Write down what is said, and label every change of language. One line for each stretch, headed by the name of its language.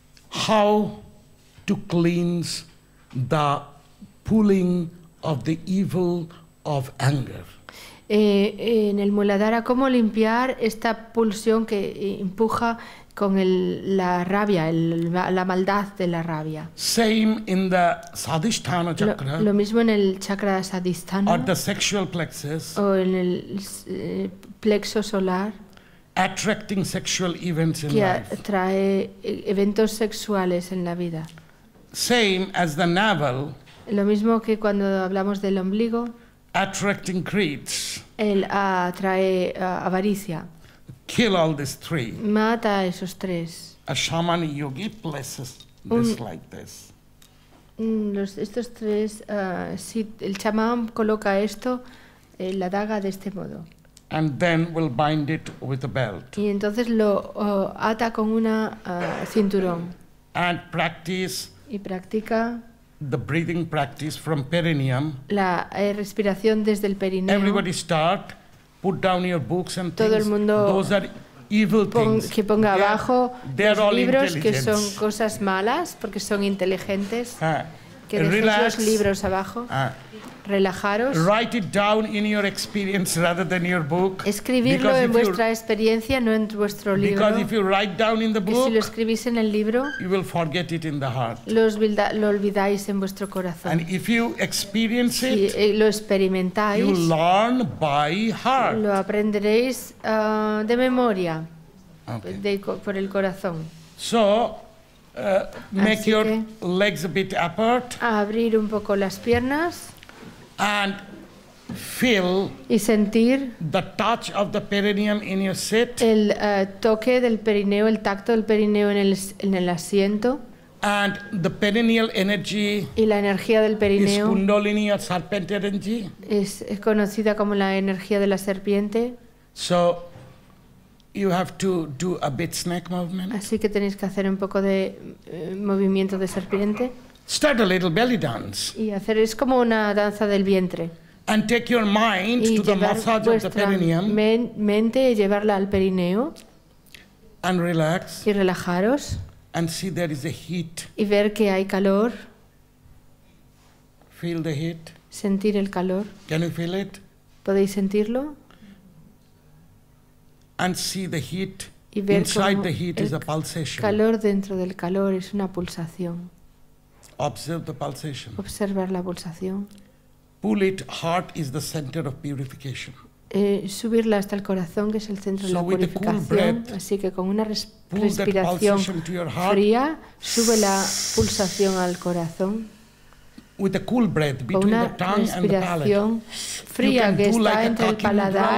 English: how to cleanse the pulling of the evil of anger.
Spanish: En el Muladhara, ¿cómo limpiar esta pulsión que empuja con la rabia, la maldad de la rabia?
English: Same in the Sadhisthana chakra.
Spanish: Lo mismo en el chakra Sadhisthana.
English: Or the sexual plexus.
Spanish: O en el plexo solar.
English: Attracting sexual events in life.
Spanish: Que atrae eventos sexuales en la vida.
English: Same as the navel.
Spanish: Lo mismo que cuando hablamos del ombligo.
English: Attracting creeds.
Spanish: Él atrae avaricia.
English: Kill all these three.
Spanish: Mata a esos tres.
English: A shaman yogi places this like this.
Spanish: Estos tres, si el chamán coloca esto, la daga de este modo.
English: And then we'll bind it with a belt.
Spanish: Y entonces lo ata con una cinturón.
English: And practice.
Spanish: Y practica.
English: The breathing practice from perineum.
Spanish: La respiración desde el perineo.
English: Everybody start, put down your books and
Spanish: todo
English: things.
Spanish: El mundo
English: those are evil things.
Spanish: Que ponga
English: they
Spanish: abajo
English: are,
Spanish: los libros que son cosas malas porque son inteligentes. Que dejéis los libros abajo. Relajaros.
English: Write it down in your experience rather than your book.
Spanish: Escribirlo en vuestra experiencia, no en vuestro libro.
English: Because if you write down in the book,
Spanish: si lo escribís en el libro,
English: you will forget it in the heart.
Spanish: Lo olvidáis en vuestro corazón.
English: And if you experience it,
Spanish: si lo experimentáis,
English: you learn by heart.
Spanish: Lo aprenderéis de memoria, por el corazón.
English: So, make your legs a bit apart.
Spanish: Abrir un poco las piernas.
English: And feel
Spanish: y sentir
English: the touch of the perineum in your seat.
Spanish: El toque del perineo, el tacto del perineo en el asiento.
English: And the perineal energy
Spanish: y la energía del perineo
English: is Kundalini or serpent energy.
Spanish: Es conocida como la energía de la serpiente.
English: So you have to do a bit snake movement.
Spanish: Así que tenéis que hacer un poco de movimiento de serpiente.
English: Start a little belly dance.
Spanish: Y hacer es como una danza del vientre.
English: And take your mind
Spanish: y
English: to the massage of the perineum.
Spanish: Mente llevarla al perineo.
English: And relax.
Spanish: Y relajaros.
English: And see there is a heat.
Spanish: Y ver que hay calor.
English: Feel the heat.
Spanish: Sentir el calor.
English: Can you feel it?
Spanish: ¿Podéis sentirlo?
English: And see the heat.
Spanish: Y ver
English: inside the heat is a pulsation.
Spanish: El calor dentro del calor es una pulsación.
English: Observe the pulsation.
Spanish: Observar la pulsación.
English: Pull it, heart is the center of purification.
Spanish: Subirla hasta el corazón, que es el centro de la purificación. Así que con una respiración fría, sube la pulsación al corazón.
English: With a cool breath between
Spanish: una
English: the tongue
Spanish: respiración
English: and the palate.
Spanish: Fría que está
English: like
Spanish: entre el paladar